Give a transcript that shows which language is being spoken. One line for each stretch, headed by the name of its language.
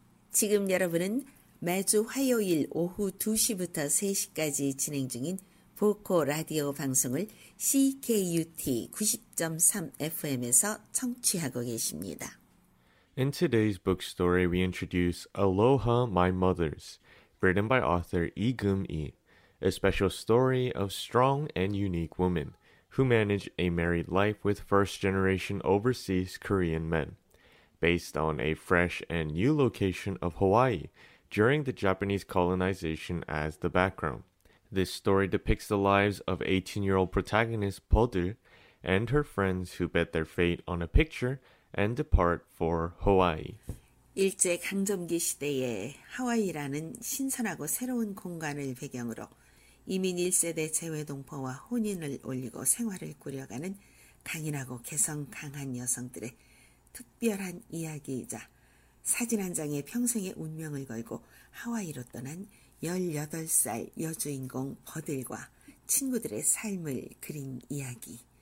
Korean: 지금 여러분은 매주 화요일 오후 2시부터 3시까지 진행 중인 보코 라디오 방송을 CKUT 90.3 FM에서 청취하고 계십니다.
English: In today's book story, we introduce Aloha, My Mothers, written by author Lee Geum-hee, a special story of strong and unique women who manage a married life with first-generation overseas Korean men, based on a fresh and new location of Hawaii during the Japanese colonization as the background. This story depicts the lives of 18-year-old protagonist Bodul and her friends who bet their fate on a picture and depart for Hawaii.
Korean: 일제강점기 시대에 하와이라는 신선하고 새로운 공간을 배경으로 이민 1세대 재외동포와 혼인을 올리고 생활을 꾸려가는 강인하고 개성 강한 여성들의 특별한 이야기이자 사진 한 장에 평생의 운명을 걸고 하와이로 떠난 18살 여주인공 버들과 친구들의 삶을 그린 이야기.